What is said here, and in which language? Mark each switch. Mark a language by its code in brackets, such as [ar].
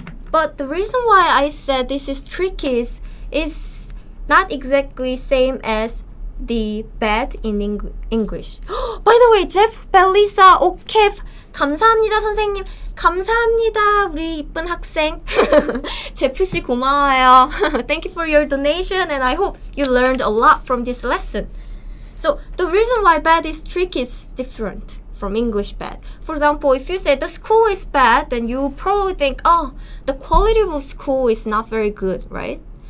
[en] But the reason why I said this is tricky is it's not exactly same as the bad in English. By the way, Jeff, Belisa, O'Keefe, [ko] 감사합니다, 선생님. 감사합니다, 우리 이쁜 학생. Jeff씨, 고마워요. [en] Thank you for your donation, and I hope you learned a lot from this lesson. So, the reason why bad is tricky is different from English bad. For example, if you say the school is bad, then you probably think, oh, the quality of school is not very good, right?